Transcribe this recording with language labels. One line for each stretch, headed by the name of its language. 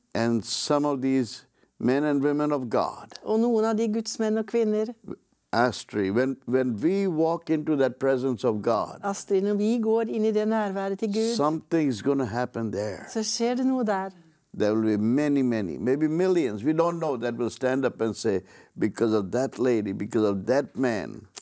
English: And some of these men and women of God.
Norwegian: Og noen av de Guds menn og kvinner.
English: Astrid, when we walk into that presence of God,
Norwegian: Astrid, når vi går inn I det nærværet til Gud,
English: something's going to happen there.
Norwegian: Så skjer det noe der.
English: There will be many, many, maybe millions, we don't know, that will stand up and say, because of that lady, because of that man.